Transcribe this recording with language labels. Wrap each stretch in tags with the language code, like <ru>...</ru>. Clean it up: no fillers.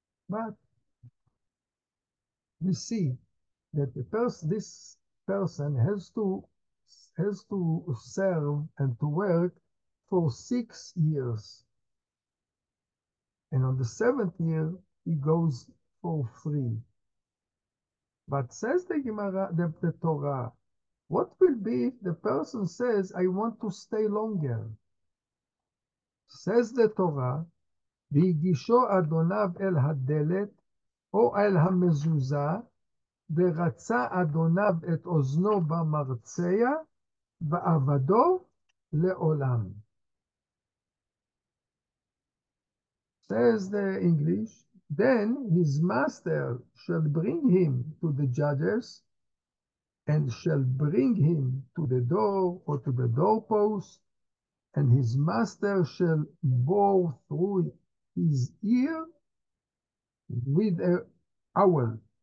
<en>But we see that this person has to serve and to work for 6 years. And on the seventh year, he goes for free. But says the Gemara, the Torah, what will be if the person says, I want to stay longer? Says the Torah,</en> <he>ויגישו אדוניו אל הדלת או אל המזוזה, ורצה אדוניו את אוזנו במרצע, ועבדו לעולם.</he> <en>Says the English, then his master shall bring him to the judges and shall bring him to the door or to the doorpost, and his master shall bore through his ear with an awl.</en>